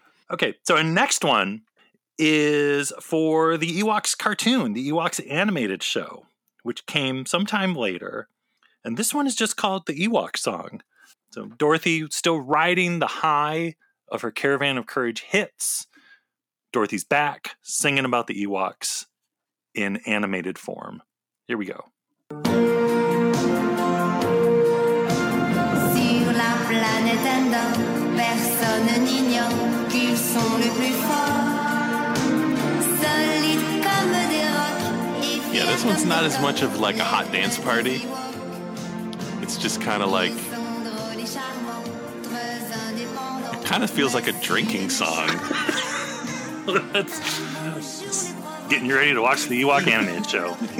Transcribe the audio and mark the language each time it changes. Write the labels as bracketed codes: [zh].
[en] Okay, so our next one is for the Ewoks cartoon, the Ewoks animated show, which came sometime later. And this one is just called the Ewok song. So Dorothee still riding the high of her Caravan of Courage hits. Dorothee's back singing about the Ewoks in animated form. Here we go. [fr] Sur la planète Endor, personne n'ignore qu'ils sont les plus forts. Solides comme des rocs. [en] Yeah, this one's not as much of like a hot dance party. It's just kind of like, it kind of feels like a drinking song. That's getting you ready to watch the Ewok animated show.